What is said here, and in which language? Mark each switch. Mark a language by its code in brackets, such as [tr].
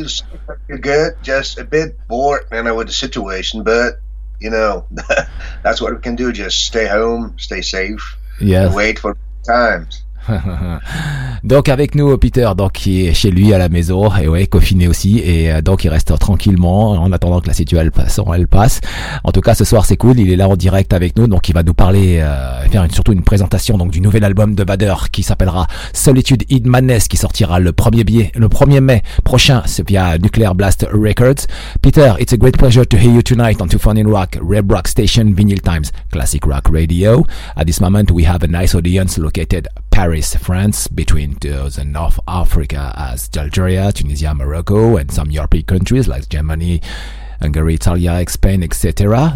[en] I feel good, just a bit bored, man, with the situation, but, you know, that's what we can do, just stay home, stay safe, yes, and wait for times. [fr] Donc avec nous Peter, donc qui est chez lui à la maison, et ouais, confiné aussi, et donc il reste tranquillement en attendant que la situation elle passe. En tout cas ce soir c'est cool, il est là en direct avec nous, donc il va nous parler, faire surtout une présentation donc du nouvel album de Vader qui s'appellera Solitude in Madness, qui sortira le 1er mai prochain via Nuclear Blast Records. [en] Peter, it's a great pleasure to hear you tonight on 2Funny Rock, Red Rock Station, Vinyl Times, Classic Rock Radio. At this moment we have a nice audience located Paris, France, between the North Africa as Algeria, Tunisia, Morocco, and some European countries like Germany, Hungary, Italy, Spain, etc.